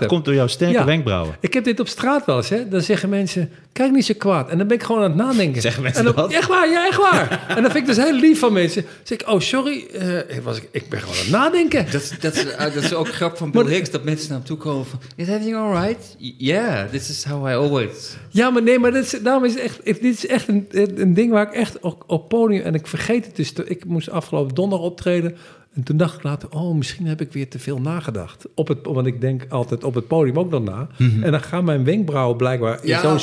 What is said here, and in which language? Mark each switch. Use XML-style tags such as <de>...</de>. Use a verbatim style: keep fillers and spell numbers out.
<nl>Het komt door jouw sterke ja, wenkbrauwen. Ik heb dit op straat wel eens. Hè? Dan zeggen mensen, kijk niet zo kwaad. En dan ben ik gewoon aan het nadenken. Zeggen mensen en dan, dat? Echt waar, ja, echt waar. En dat vind ik dus heel lief van mensen. Dan zeg ik, oh sorry, uh, ik, was, ik ben gewoon aan het nadenken. Dat, dat, is, uh, dat is ook grap van Bill Hicks, dat mensen naar hem toe komen van...</nl> <en>Is everything all right? Yeah, this is how I always...</en> <nl>Ja, maar nee, maar dit is, daarom is het echt, dit is echt een, een ding waar ik echt op, op podium... En ik vergeet het dus, ik moest afgelopen donderdag optreden... En toen dacht ik later, oh, misschien heb ik weer te veel nagedacht. Op het, want ik denk altijd op het podium ook nog na. Mm-hmm. En dan gaan mijn wenkbrauwen blijkbaar in ja, zo'n okay.</nl>